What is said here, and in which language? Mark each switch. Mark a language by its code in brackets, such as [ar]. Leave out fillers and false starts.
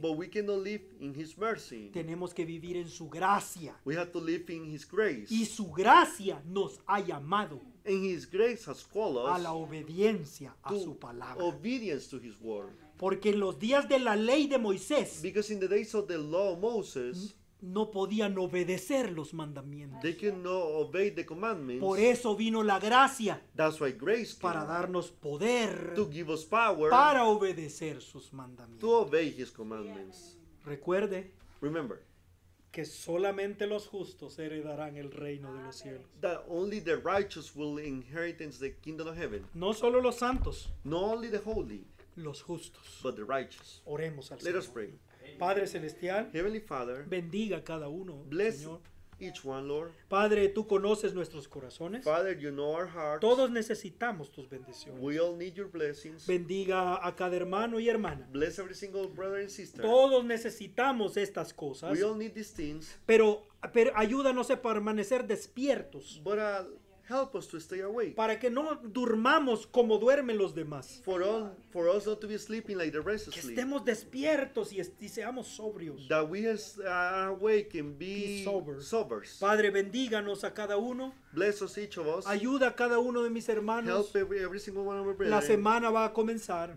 [en] But we cannot live in his mercy. [es] Tenemos que vivir en su gracia. [en] We have to live in his grace. [es] Y su gracia nos ha llamado. [en] And his grace has called us [es] a la obediencia a su palabra. [en] Obedience to his word. [es] Porque en los días de la ley de Moisés, [en] because in the days of the law of Moses, [es] no podían obedecer los mandamientos. [en] They could not obey the commandments. [es] Por eso vino la gracia. [en] That's why grace came. [es] Para darnos poder. [en] To give us power. [es] Para obedecer sus mandamientos. [en] To obey his commandments. [es] Recuerde. [en] Remember. [es] Que solamente los justos heredarán el reino de los cielos. [en] That only the righteous will inherit the kingdom of heaven. [es] No solo los santos. [en] Not only the holy. [es] Los justos. [en] But the righteous. [es] Oremos al [en] Let [es] Señor. [en] Us pray. [es] Padre celestial, [en] Heavenly Father, [es] bendiga a cada uno, [en] bless [es] Señor. [en] Each one, Lord. [es] Padre, tú conoces nuestros corazones. [en] Father, you know our hearts. [es] Todos necesitamos tus bendiciones. [en] We all need your blessings. [es] Bendiga a cada hermano y hermana. [en] Bless every single brother and sister. [es] Todos necesitamos estas cosas. [en] We all need these things. [es] Pero ayúdanos a permanecer despiertos. [en] But help us to stay awake. [es] Para que no durmamos como duermen los demás. [en] For us not to be sleeping like the rest [es] que [en] sleep. [es] Que estemos despiertos y seamos sobrios. [en] That we are awake and be sober. [es] Padre, bendíganos a cada uno. [en] Bless us each of us. [es] Ayuda a cada uno de mis hermanos. [en] Help every single one of my brethren. [es] La semana va a comenzar.